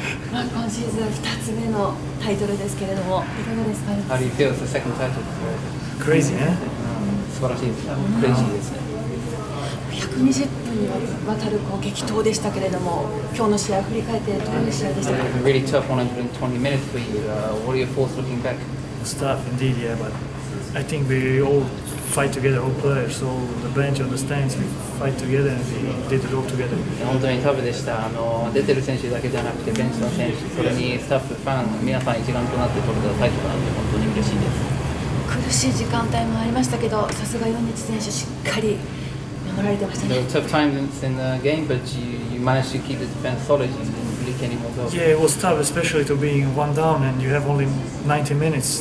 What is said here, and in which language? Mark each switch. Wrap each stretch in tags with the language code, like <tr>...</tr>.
<ja>まあ今シーズン2つ目のタイトルですけれどもいかがですか。</ja> <en>How do you feel? It's the second title. Crazy, yeah.</en> <ja>素晴らしいですね。</ja> <en>Crazy</en> <ja>ですね。 120分にわたるこう激闘でしたけれども、今日の試合を振り返ってどういう試合でしたか。</ja> <en>Really tough 120 minutes for you. What are your thoughts looking back? It's tough indeed, yeah. But I think we all fight together, all players. So the bench understands we fight together and we did it all together.</en> <ja>本当にタフでした。あの出てる選手だけじゃなくてベンチの選手、それにスタッフ、ファン、皆さん一丸となって取れたタイトルなんで本当に嬉しいです。苦しい時間帯もありましたけど、さすが米津選手しっかり。</ja> <en>There were tough times in the game, but you managed to keep the defense solid and didn't leak any more goals. Yeah, it was tough, especially to being one down and you have only 90 minutes.</en>